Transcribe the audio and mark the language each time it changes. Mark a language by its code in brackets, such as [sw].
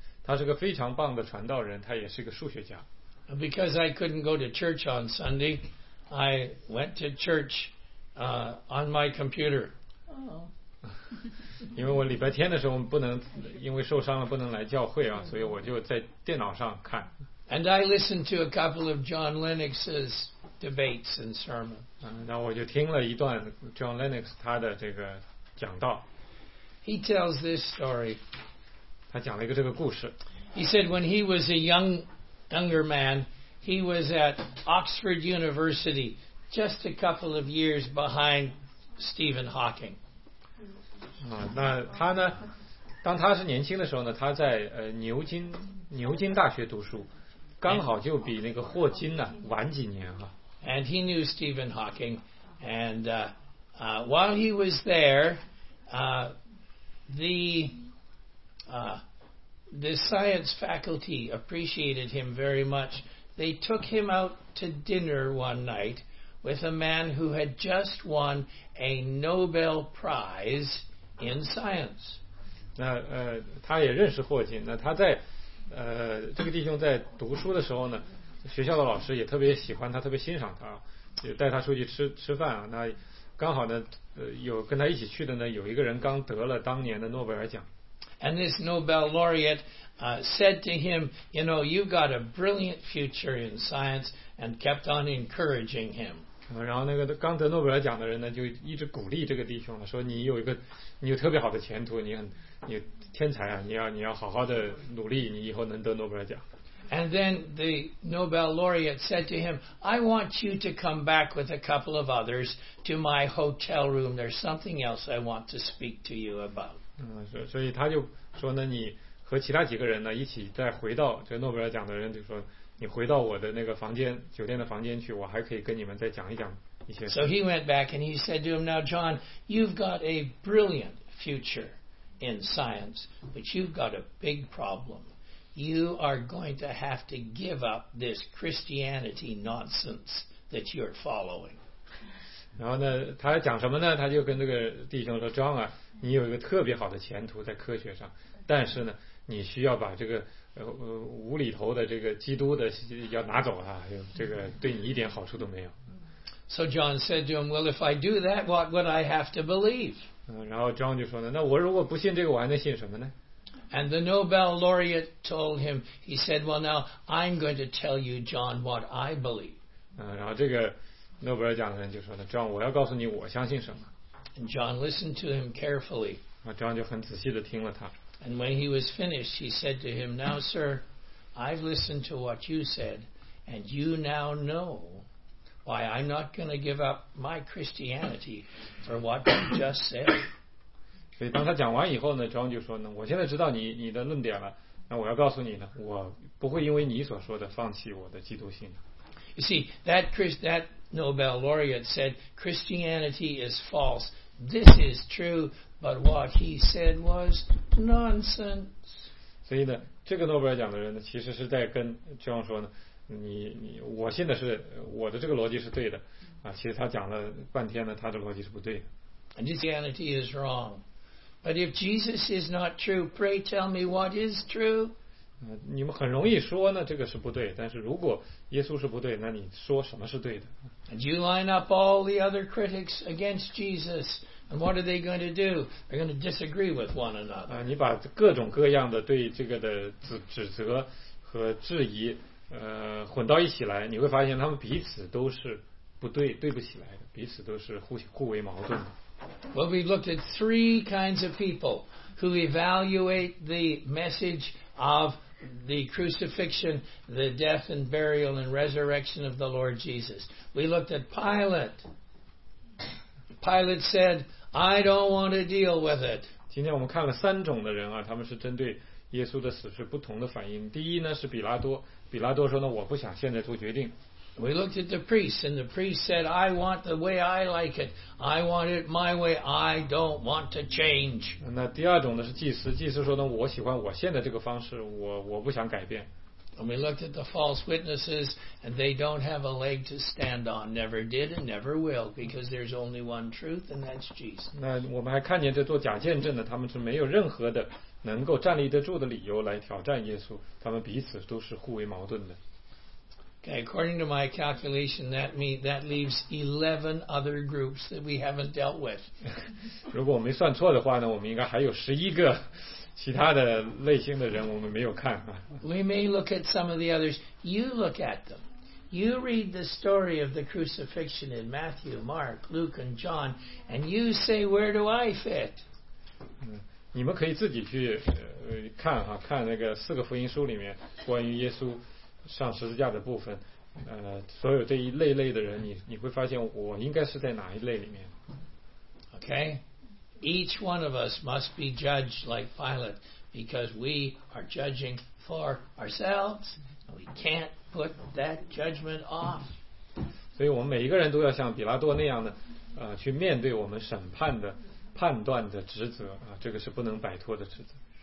[zh] 他是个非常棒的传道人，他也是个数学家。 [en] Because I couldn't go to church on Sunday, I went to church on my computer. [zh] Oh. 因为我礼拜天的时候不能，因为受伤了不能来教会啊，所以我就在电脑上看。 [en] And I listened to a couple of John Lennox's debates and sermons. [zh] 然后我就听了一段 John Lennox 他的这个讲道。 [en] He tells this story. [zh] 他讲了一个这个故事。 [en] He said when he was a younger man, he was at Oxford University, just a couple of years behind Stephen Hawking. [zh] 那他呢，当他是年轻的时候呢，他在牛津大学读书。刚好就比那个霍金呢晚几年啊。 [en] And he knew Stephen Hawking, and while he was there, the science faculty appreciated him very much. They took him out to dinner one night with a man who had just won a Nobel Prize in science. [zh] 那他也认识霍金，那他在。这个弟兄在读书的时候呢，学校的老师也特别喜欢他，特别欣赏他，也带他出去吃饭啊。那刚好呢，有跟他一起去的呢，有一个人刚得了当年的诺贝尔奖。 [en] And this Nobel laureate said to him, "You know, you got a brilliant future in science," and kept on encouraging him. [zh] 然后那个刚得诺贝尔奖的人呢，就一直鼓励这个弟兄了，说你有特别好的前途，你天才啊，你要好好的努力，你以后能得诺贝尔奖。 [en] And then the Nobel laureate said to him, "I want you to come back with a couple of others to my hotel room. There's something else I want to speak to you about." [zh] 所以他就说呢，你和其他几个人呢一起再回到这诺贝尔奖的人就说，你回到我的那个房间，酒店的房间去，我还可以跟你们再讲一讲一些。 [en] So he went back and he said to him, "Now, John, you've got a brilliant future." In science, but you've got a big problem. You are going to have to give up this Christianity nonsense that you're following. [zh] 然后呢，他讲什么呢？他就跟这个弟兄说 ：“John 啊，你有一个特别好的前途在科学上，但是呢，你需要把这个无厘头的这个基督的要拿走啊，这个对你一点好处都没有。” [en] So John said to him, "Well, if I do that, what would I have to believe?" [zh] 然后 John 就说呢，那我如果不信这个，我还能信什么呢？ [en] And the Nobel laureate told him, he said, "Well, now I'm going to tell you, John, what I believe." [zh] 然后这个诺贝尔奖的人就说呢 ，John， 我要告诉你我相信什么。 [en] And John listened to him carefully. [zh] John 就很仔细地听了他。 [en] And when he was finished, he said to him, "Now, sir, I've listened to what you said, and you now know." Why I'm not going to give up my Christianity for what you just said. [zh] 所以当他讲完以后呢 ，John 就说呢，我现在知道你的论点了。那我要告诉你呢，我不会因为你所说的放弃我的基督信的。 [en] You see, that Nobel laureate said Christianity is false this is true, but what he said was nonsense. [zh] 所以呢，这个诺贝尔奖的人呢，其实是在跟这样说呢，你我信的是我的这个逻辑是对的啊，其实他讲了半天呢，他的逻辑是不对的。 [en] And Christianity is wrong. But if Jesus is not true, pray tell me what is true. [zh] 你们很容易说呢，这个是不对。但是如果耶稣是不对，那你说什么是对的 [en] ？And you line up all the other critics against Jesus, and what are they going to do? They're going to disagree with one another. [zh] 你把各种各样的对这个的指责和质疑，混到一起来，你会发现他们彼此都是不对，对不起来的，彼此都是互为矛盾的。 [en] Well, we looked at three kinds of people who evaluate the message of the crucifixion, the death and burial and resurrection of the Lord Jesus. We looked at Pilate. Pilate said, I don't want to deal with it. [zh] 今天我们看了三种的人啊，他们是针对耶稣的死是不同的反应。第一呢是比拉多，比拉多说呢，我不想现在做决定。 [en] We looked at the priest, and the priest said, I want the way I like it. I want it my way. I don't want to change. [zh] 那第二种呢是祭司，祭司说呢，我喜欢我现在这个方式，我不想改变。 [en] And we looked at the false witnesses, and they don't have a leg to stand on. Never did and never will, because there's only one truth, and that's Jesus. [zh] 那我们还看见这做假见证的，他们是没有任何的能够站立得住的理由来挑战耶稣，他们彼此都是互为矛盾的。 [en] According to my calculation, that leaves 11 other groups that we haven't dealt with. [zh] 如果我没算错的话呢，我们应该还有11个其他的类型的人我们没有看。 [en] We may look at some of the others. You look at them. You read the story of the crucifixion in Matthew, Mark, Luke, and John, and you say, where do I fit? [zh] 你们可以自己去看哈，看那个四个福音书里面关于耶稣上十字架的部分，所有这一类的人，你会发现我应该是在哪一类里面。 [en] Okay, each one of us must be judged like Pilate, because we are judging for ourselves, and we can't put that judgment off. [zh] 所以我们每一个人都要像比拉多那样的，去面对我们审判的判断的职责啊，这个是不能摆脱的职责。